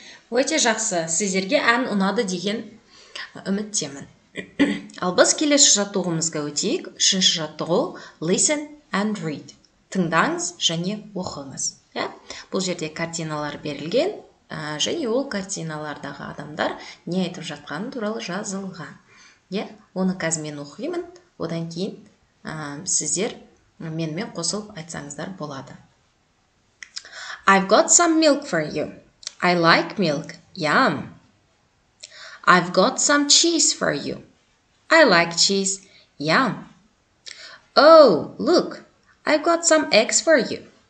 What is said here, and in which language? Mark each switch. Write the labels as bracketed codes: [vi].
[kk] Өте жақсы, сіздерге ән ұнады деген үміттемін. Ал біз келесі жаттығымызға өтейік. Үшінші жаттығы [en] Listen and Read. [kk] Тыңдаңыз және оқыңыз. Бұл жерде картиналар берілген, және ол картиналардағы адамдар не айтып жатқаны туралы жазылған. Оны қазір мен оқимын, одан кейін сіздер менімен қосылып айтсаңыздар болады. [en] I've got some milk for you. I like milk. Yum. I've got some cheese for you. I like cheese. Yum. Oh, look. I've got some eggs for you.